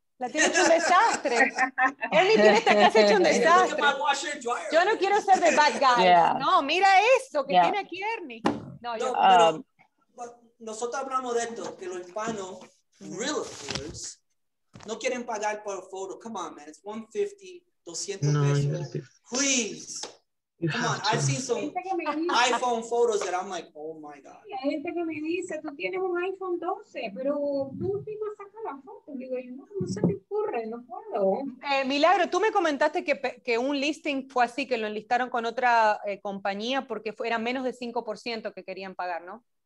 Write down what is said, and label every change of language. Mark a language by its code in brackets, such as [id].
[es] La tiene hecho un desastre. Ernie tiene esta casa hecho un desastre. Yo no quiero ser de [en] bad guy. Yeah. [es] No, mira eso que tiene aquí Ernie. Pero nosotros hablamos de esto, que los hispanos, realtors, no quieren pagar por foto. [en] Come on, man, it's $150, $200. Please. Come on, I've seen some iPhone photos that I'm like, oh my God. [es] Hay gente que me dice, tú tienes un iPhone 12, pero tú mismo sacas la foto. Digo, yo no se me ocurre, no puedo. Milagro, tú me comentaste que un listing fue así, que lo enlistaron con otra compañía porque era menos de 5% que querían pagar, ¿no?